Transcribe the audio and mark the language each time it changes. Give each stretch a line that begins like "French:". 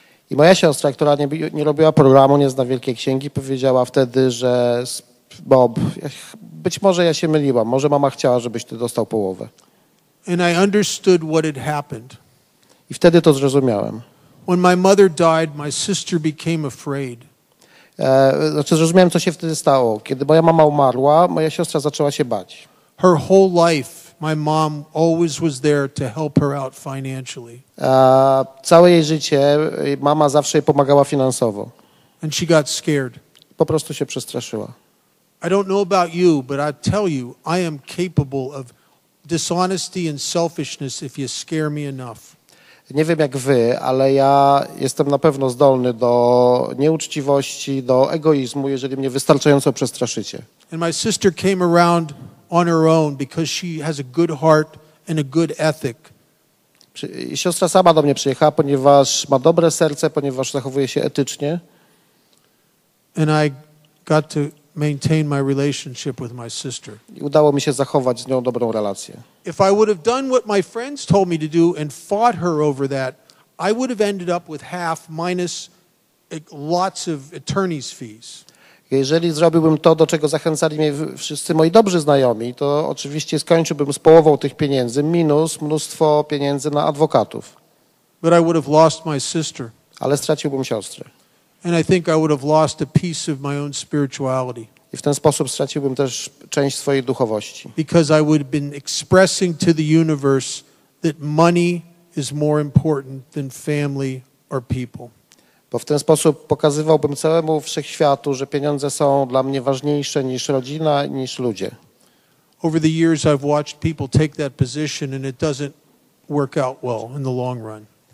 Polish: I moja siostra, która nie robiła programu, nie zna wielkiej księgi, powiedziała wtedy, że Bob, być może ja się myliłam, może mama chciała, żebyś ty dostał połowę.
English: And I understood what had happened.
Polish: I wtedy to zrozumiałem.
English: When my mother died, my sister became afraid.
Polish: Zrozumiałem, co się wtedy stało. Kiedy moja mama umarła, moja siostra zaczęła się bać.
English: Her whole life, my mom always was there to help her out financially.
Polish: Całe jej życie mama zawsze jej pomagała finansowo.
English: And she got scared.
Polish: Po prostu się przestraszyła.
English: I don't know about you, but I tell you, I am capable of dishonesty and selfishness if you scare me enough.
Polish: Nie wiem jak wy, ale ja jestem na pewno zdolny do nieuczciwości, do egoizmu, jeżeli mnie wystarczająco przestraszycie.
English: And my sister came around on her own because she has a good heart and a good ethic.
Polish: Siostra sama do mnie przyjechała, ponieważ ma dobre serce, ponieważ zachowuje się etycznie.
English: And I got to maintain my relationship with my sister.
Polish: I udało mi się zachować z nią dobrą relację.
English: If I would have done what my friends told me to do and fought her over that, I would have ended up with half minus lots of attorney's fees.
Polish: Jeżeli zrobiłbym to, do czego zachęcali mnie wszyscy moi dobrzy znajomi, to oczywiście skończyłbym z połową tych pieniędzy minus mnóstwo pieniędzy na adwokatów.
English: But I would have lost my sister.
Polish: Ale straciłbym siostrę.
English: And I think I would have lost a piece of my own spirituality.
Polish: I w ten sposób straciłbym też część swojej duchowości.
English: Because I would have been expressing to the universe that money is more important than family or people.
Polish: Bo w ten sposób pokazywałbym całemu wszechświatu, że pieniądze są dla mnie ważniejsze niż rodzina, niż ludzie.
English: Over the years I've watched people take that position and it doesn't work out well in the long run.